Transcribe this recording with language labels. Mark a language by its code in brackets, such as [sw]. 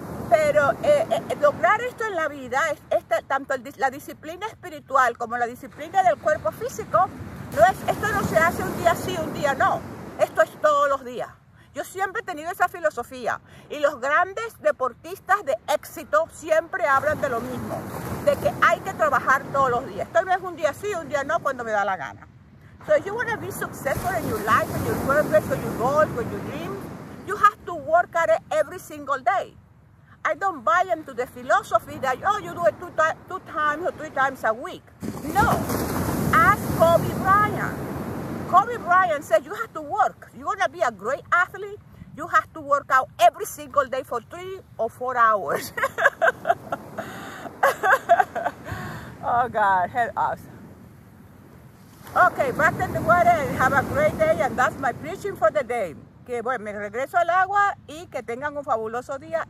[es] Pero lograr esto en la vida, tanto la disciplina espiritual como la disciplina del cuerpo físico, esto no se hace un día sí, un día no. Esto es todos los días. Yo siempre he tenido esa filosofía y los grandes deportistas de éxito siempre hablan de lo mismo, de que hay que trabajar todos los días. Esto no es un día sí, un día no, cuando me da la gana. [en] So if you want to be successful in your life, in your purpose, in your goals, in your dreams, you have to work at it every single day. I don't buy into the philosophy that, oh, you do it two times or three times a week. No. Ask Kobe Bryant. Kobe Bryant said, you have to work. You want to be a great athlete? You have to work out every single day for 3 or 4 hours. Oh, God, help us. Okay, back in the water. Have a great day, and that's my preaching for the day. [es] Que, bueno, me regreso al agua y que tengan un fabuloso día.